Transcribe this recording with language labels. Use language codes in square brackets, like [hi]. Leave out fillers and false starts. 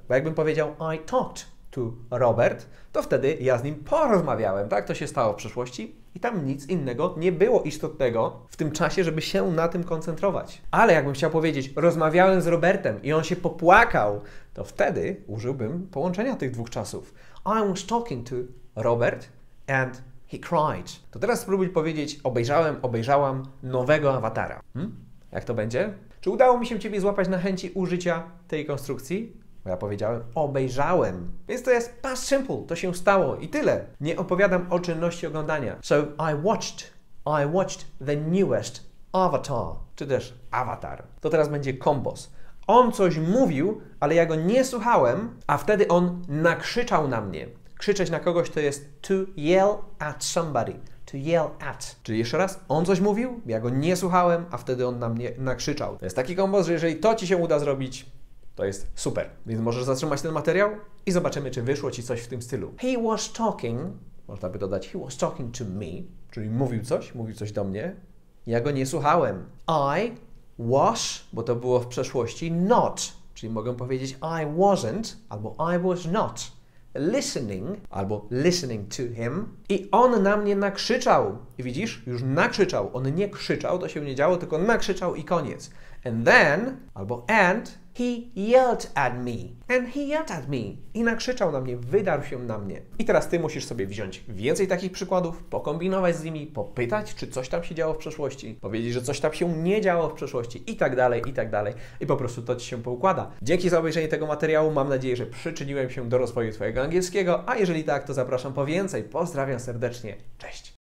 [pl] Bo jakbym powiedział [en] I talked to Robert, [pl] to wtedy ja z nim porozmawiałem, tak? To się stało w przeszłości i tam nic innego nie było istotnego w tym czasie, żeby się na tym koncentrować. Ale jakbym chciał powiedzieć rozmawiałem z Robertem i on się popłakał, to wtedy użyłbym połączenia tych dwóch czasów. [en] I was talking to Robert and he cried. [pl] To teraz spróbuj powiedzieć obejrzałam nowego awatara. Jak to będzie? Czy udało mi się Ciebie złapać na chęci użycia tej konstrukcji? Bo ja powiedziałem, obejrzałem. Więc to jest past simple, to się stało i tyle. Nie opowiadam o czynności oglądania. [en] So I watched the newest avatar, [pl] czy też avatar. To teraz będzie kombos. On coś mówił, ale ja go nie słuchałem, a wtedy on nakrzyczał na mnie. Krzyczeć na kogoś to jest [en] to yell at somebody. To yell at. [pl] Czyli jeszcze raz, on coś mówił, ja go nie słuchałem, a wtedy on na mnie nakrzyczał. To jest taki kombos, że jeżeli to Ci się uda zrobić, to jest super. Więc możesz zatrzymać ten materiał i zobaczymy, czy wyszło Ci coś w tym stylu. [en] He was talking, [pl] można by dodać, [en] he was talking to me, [pl] czyli mówił coś do mnie, ja go nie słuchałem. I was, bo to było w przeszłości, not, czyli mogę powiedzieć [en] I wasn't, [pl] albo [en] I was not. Listening, albo listening to him. [pl] I on na mnie nakrzyczał. I widzisz, już nakrzyczał. On nie krzyczał, to się nie działo, tylko nakrzyczał i koniec. [en] And then, albo and, he yelled at me. And he yelled at me. [pl] I nakrzyczał na mnie, wydarł się na mnie. I teraz ty musisz sobie wziąć więcej takich przykładów, pokombinować z nimi, popytać, czy coś tam się działo w przeszłości, powiedzieć, że coś tam się nie działo w przeszłości i tak dalej, i tak dalej. I po prostu to ci się poukłada. Dzięki za obejrzenie tego materiału. Mam nadzieję, że przyczyniłem się do rozwoju twojego angielskiego. A jeżeli tak, to zapraszam po więcej. Pozdrawiam serdecznie. Cześć.